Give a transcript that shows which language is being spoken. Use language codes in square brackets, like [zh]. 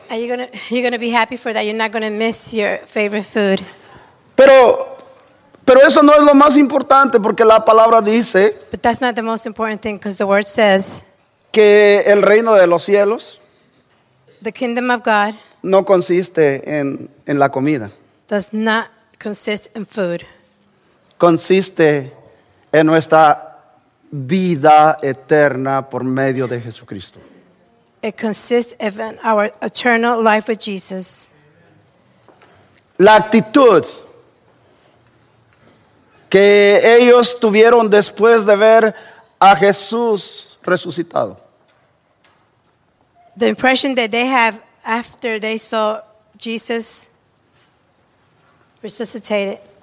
[en] You're gonna be happy for that. You're not gonna miss your favorite food. [es] Pero eso no es lo más importante porque la palabra dice. [en] But that's not the most important thing because the word says. [es] Que el reino de los cielos. [en] The kingdom of God. [es] No consiste en la comida. [en] Does not consist in food. [es] Consiste en nuestra vida eterna por medio de Jesucristo. [en] It consists of our eternal life with Jesus. [es] La actitud que ellos tuvieron después de ver a Jesús resucitado. [en] The impression that they have after they saw Jesus resuscitated.